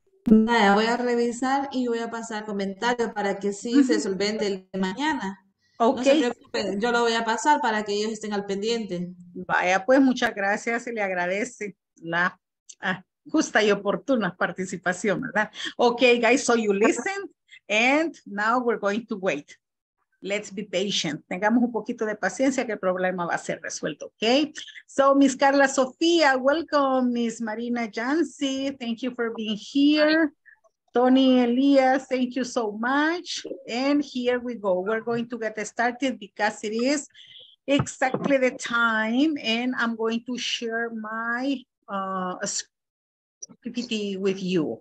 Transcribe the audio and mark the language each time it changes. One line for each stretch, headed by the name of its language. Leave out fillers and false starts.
Spanish: Nada, voy a revisar y voy a pasar comentarios para que sí se solvente el de mañana.
English: Okay.
Spanish: No se preocupen, yo lo voy a pasar para que ellos estén al pendiente. Vaya, pues muchas gracias y le agradece la justa y oportuna participación, ¿verdad?
English: Okay, guys, so you listen and now we're going to wait. Let's be patient.
Spanish: Tengamos un poquito de paciencia que el problema va a ser resuelto, okay?
English: So, Miss Carla Sofía, welcome. Miss Marina Jansi, thank you for being here. Tony Elias, thank you so much. And here we go. We're going to get started because it is exactly the time. And I'm going to share my PPT with you.